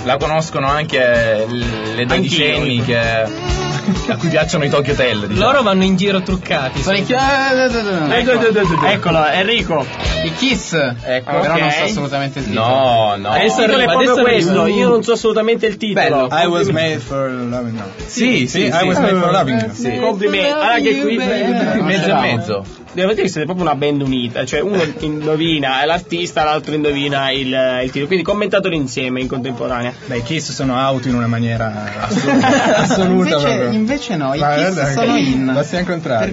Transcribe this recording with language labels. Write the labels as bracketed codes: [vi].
[it] La conoscono anche le dodicenni a cui piacciono i Tokyo Hotel, diciamo. Loro vanno in giro truccati. Eccolo, Enrico. I Kiss. Ecco. Però non so assolutamente il titolo. No. Adesso questo. Io non so assolutamente il titolo. Bello. [en] I was made for loving you. [it] Sì. [en] I was made for loving you. [it] Sì. Complimenti. Anche qui. Mezzo e mezzo. Devo dire che siete proprio una band unita. Cioè uno indovina l'artista, l'altro indovina il titolo. Quindi commentatelo insieme in contemporanea. Beh, i Kiss sono out in una maniera assoluta. Invece no, ma i Kiss sono in. Ma sei al contrario.